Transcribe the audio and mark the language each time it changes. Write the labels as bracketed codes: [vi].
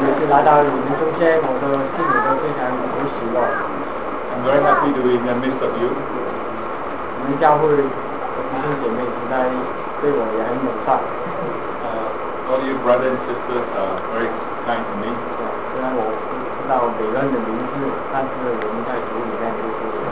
[zh] 来到你们中间，我都心里都非常欢喜的。 [en] I'm very happy to be in the midst of you. [zh] 你们教会的弟兄姐妹应该对我也很友善。 [en] All you brothers and sisters are very kind to me. [zh] 虽然我不知道每个人的名字，但是我们在主里面都是。